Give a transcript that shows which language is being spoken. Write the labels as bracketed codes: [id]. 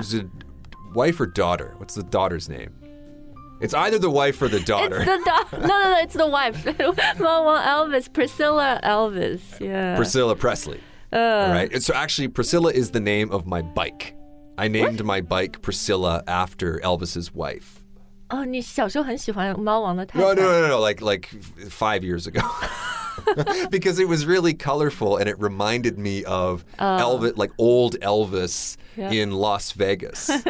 [en] Is it wife or daughter? What's the daughter's name? It's either the wife or the daughter. It's the daughter. No, it's the wife. Mama Elvis, Priscilla Elvis. Yeah. Priscilla Presley. Right. So actually, Priscilla is the name of my bike. I named my bike Priscilla after Elvis's wife. [zh] Oh, 你小时候很喜欢猫王的太太 [en] No, like 5 years ago. Because it was really colorful and it reminded me of Elvis, like old Elvis in Las Vegas.